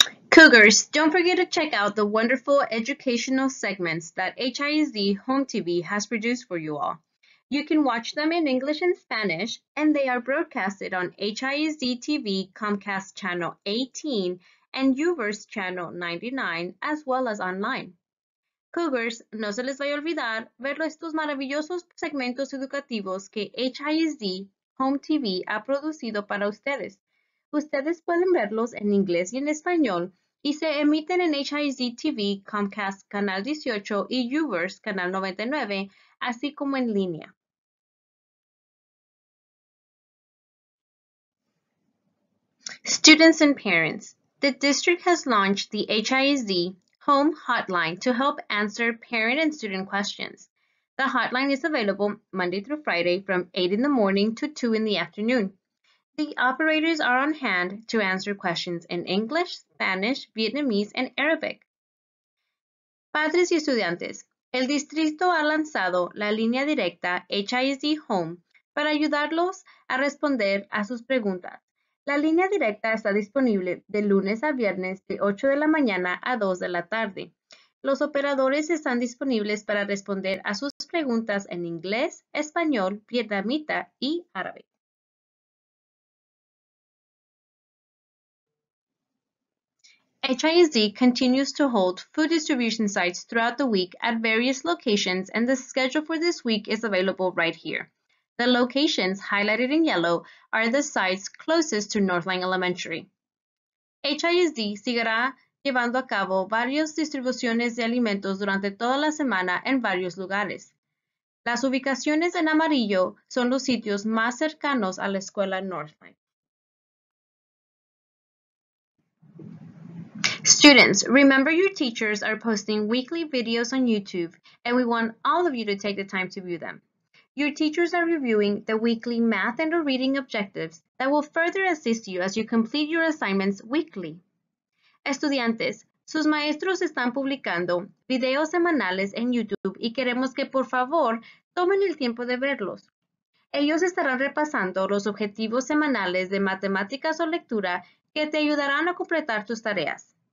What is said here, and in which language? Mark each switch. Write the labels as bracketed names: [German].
[English] Cougars, don't forget to check out the wonderful educational segments that HISD Home TV has produced for you all. You can watch them in English and Spanish, and they are broadcasted on HISD TV Comcast Channel 18 and Uverse Channel 99, as well as online. [Spanish] Cougars, no se les vaya a olvidar ver estos maravillosos segmentos educativos que HISD Home TV ha producido para ustedes. Ustedes pueden verlos en inglés y en español y se emiten en HIZ TV, Comcast Canal 18 y YouVerse Canal 99, así como en línea. [English] Students and parents, the district has launched the HIZ Home Hotline to help answer parent and student questions. The hotline is available Monday through Friday from 8 in the morning to 2 in the afternoon. The operators are on hand to answer questions in English, Spanish, Vietnamese, and Arabic. [Spanish] Padres y estudiantes, el distrito ha lanzado la línea directa HIZ Home para ayudarlos a responder a sus preguntas. La línea directa está disponible de lunes a viernes de 8 de la mañana a 2 de la tarde. Los operadores están disponibles para responder a sus preguntas en inglés, español, vietnamita y árabe. [English] HIZ continues to hold food distribution sites throughout the week at various locations, and the schedule for this week is available right here. The locations highlighted in yellow are the sites closest to Northline Elementary. [Spanish] HIZ seguirá llevando a cabo varias distribuciones de alimentos durante toda la semana en varios lugares. Las ubicaciones en amarillo son los sitios más cercanos a la escuela Northline. [English] Students, remember your teachers are posting weekly videos on YouTube, and we want all of you to take the time to view them. Your teachers are reviewing the weekly math and/or reading objectives that will further assist you as you complete your assignments weekly. [Spanish] Estudiantes, sus maestros están publicando videos semanales en YouTube y queremos que por favor tomen el tiempo de verlos. Ellos estarán repasando los objetivos semanales de matemáticas o lectura que te ayudarán a completar tus tareas.